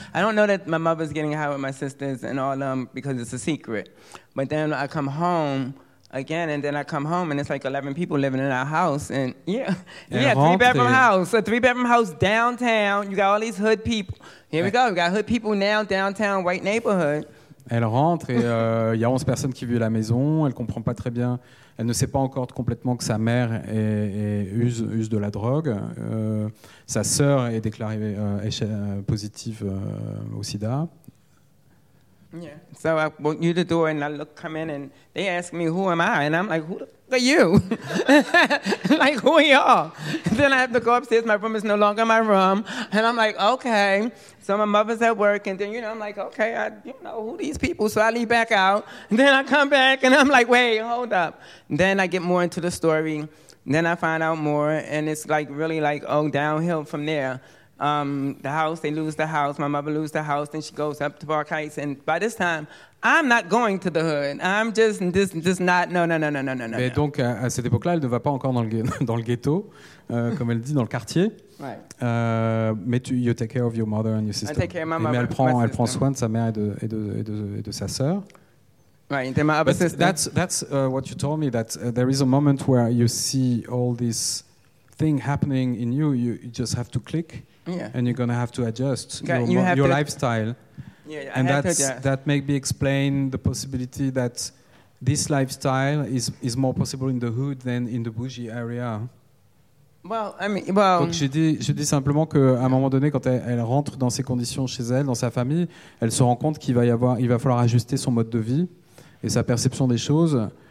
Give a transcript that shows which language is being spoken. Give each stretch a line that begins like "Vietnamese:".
English: I don't know that my mother's getting high with my sisters and all of them because it's a secret. But then I come home again, and then I come home, and it's like 11 people living in our house. And three-bedroom house. A three-bedroom house downtown. You got all these hood people. Here we go. We got hood people now downtown, white neighborhood.
French: Elle rentre et il y a 11 personnes qui vivent à la maison. Elle ne comprend pas très bien. Elle ne sait pas encore complètement que sa mère use de la drogue. Sa sœur est déclarée positive au sida.
English: Yeah. So I walk through the door and I look, come in, and they ask me, who am I? And I'm like, who the fuck are you? Like, who are y'all? Then I have to go upstairs. My room is no longer my room. And I'm like, okay. So my mother's at work, and then, you know, I'm like, okay, I you know who these people, so I leave back out. And then I come back, and I'm like, wait, hold up. And then I get more into the story. And then I find out more, and it's like really like, oh, downhill from there. the house, they lose the house, my mother loses the house, then she goes up to Park Heights, and by this time, I'm not going to the hood. I'm just not, no.
French: Mais donc, à cette époque-là, elle ne va pas encore dans le ghetto, comme elle dit, dans le quartier.
English: Right. But you take care of your mother and your sister. I take care of my mother.
French: Mais elle prend soin de sa mère et de sa sœur.
English: Right, and my other sister. That's what you told me, that there is a moment where you see all this thing happening in you, you just have to click, yeah, and you're going to have to adjust your lifestyle. Yeah, and that maybe explain the possibility that this lifestyle is more possible in the hood than in the bougie area. Well, I mean, well.
French: Donc je dis simplement qu'à un moment donné, quand elle rentre dans ces conditions chez elle, dans sa famille, elle se rend compte qu'il va falloir ajuster son mode de vie et sa perception des choses.